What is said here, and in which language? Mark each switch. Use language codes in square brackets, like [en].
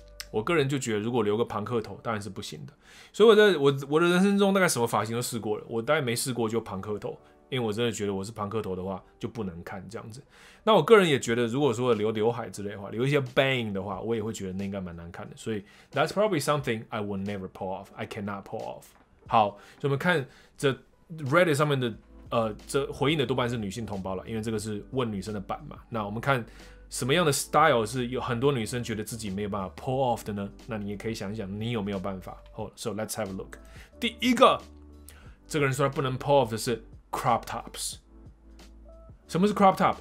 [zh] 我个人就觉得，如果留个庞克头当然是不行的。所以我的人生中大概什么发型都试过了，我大概没试过就庞克头，因为我真的觉得我是庞克头的话就不能看这样子。那我个人也觉得，如果说留刘海之类的话，留一些 bang 的话，我也会觉得那应该蛮难看的。所以 [en] that's probably something I will never pull off. I cannot pull off. [zh] 好，所以我们看这 Reddit 上面的这回应的多半是女性同胞了，因为这个是问女生的版嘛。那我们看什么样的 style 是有很多女生觉得自己没有办法 pull off 的呢？那你也可以想一想，你有没有办法？好 ， [en] so let's have a look. [zh] 第一个，这个人说他不能 pull off 的是crop tops。什么是 crop top？